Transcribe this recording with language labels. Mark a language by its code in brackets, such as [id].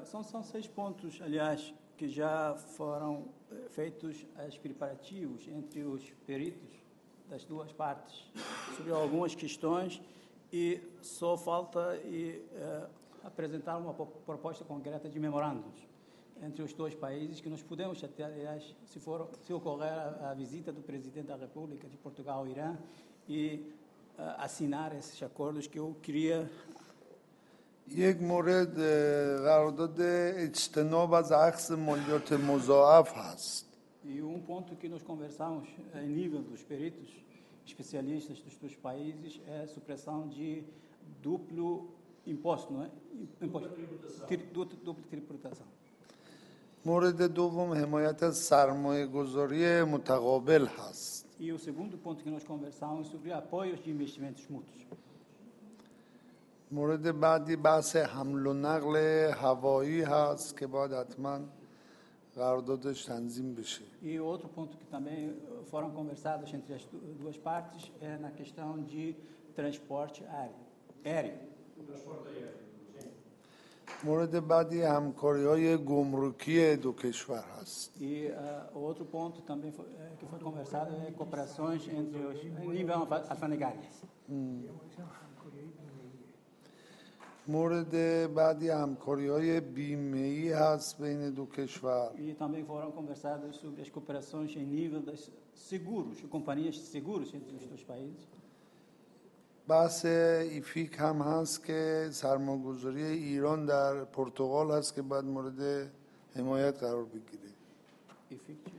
[pt] São seis pontos, aliás, que já foram feitos as preparativos entre os peritos das duas partes sobre algumas questões e só falta apresentar uma proposta concreta de memorandos entre os dois países que nós podemos até, aliás, se ocorrer a visita do Presidente da República de Portugal ao Irã e assinar esses acordos que eu queria... [fa] یک مورد قرارداد اجتناب از عکس مالیات مضاعف هست. [pt] E um ponto que nós conversamos em nível dos peritos especialistas dos dois países é a supressão de duplo imposto, não é? Imposto dupla tributação. [fa] مورد دوم حمایت از سرمایه‌گذاری متقابل هست. [pt] E o segundo ponto que nós conversamos sobre apoios de investimentos mútuos. [fa] مورد بعدی بحث حمل و نقل هوایی هست که باید حتما قراردادش تنظیم بشه. [pt] E outro ponto que também foram conversados entre as duas partes é na questão de transporte aéreo. [fa] مورد بعدی همکاری‌های گمرکی دو کشور هست. [pt] E outro ponto também que foi conversado é cooperações entre os nível alfandegárias. [fa] مورد بعدی همکاری‌های بیمه‌ای هست بین دو کشور. [pt] E também foram conversadas sobre as cooperações em nível das seguros, companhias de seguros entre os dois países. [fa] بحث ایفیک هم هست که سرمایه‌گذاری ایران در پرتغال هست که بعد مورد حمایت قرار بگیره.